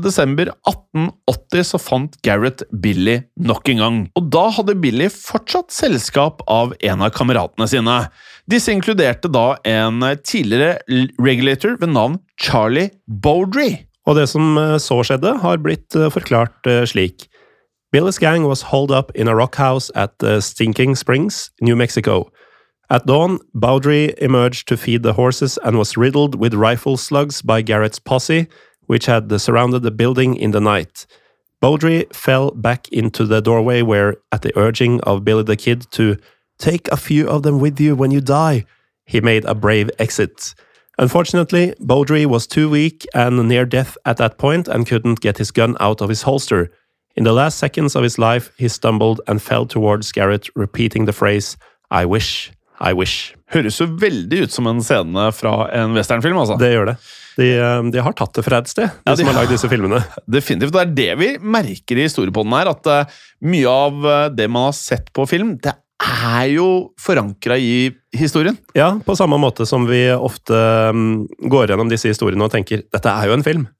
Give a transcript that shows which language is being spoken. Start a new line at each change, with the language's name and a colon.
Norwegian: desember 1880 så fant Garrett Billy nok en gang. Og da hadde Billy fortsatt selskap av en av kameratene sine. Disse inkluderte da en tidligere regulator ved navn Charlie Bowdry. Og det som så skjedde har blitt forklart slik.
English: Billy's gang was holed up in a rock house at Stinking Springs, New Mexico. At dawn, Bowdry emerged to feed the horses and was riddled with rifle slugs by Garrett's posse, which had surrounded the building in the night. Bowdry fell back into the doorway where, at the urging of Billy the Kid to take a few of them with you when you die, he made a brave exit. Unfortunately, Bowdry was too weak and near death at that point and couldn't get his gun out of his holster. In the last seconds of his life, he stumbled and fell towards Garrett, repeating the phrase, I wish, I wish.
Norwegian: Høres jo veldig ut som en scene fra en westernfilm, altså. Det gjør det. De har tatt det fra et sted, de som har laget disse filmene. Definitivt, det det vi merker i historiepodden her, at mye av det man har sett på film, det jo forankret I historien. Ja, på samme måte som vi ofte går gjennom disse historiene og tenker, dette jo en film.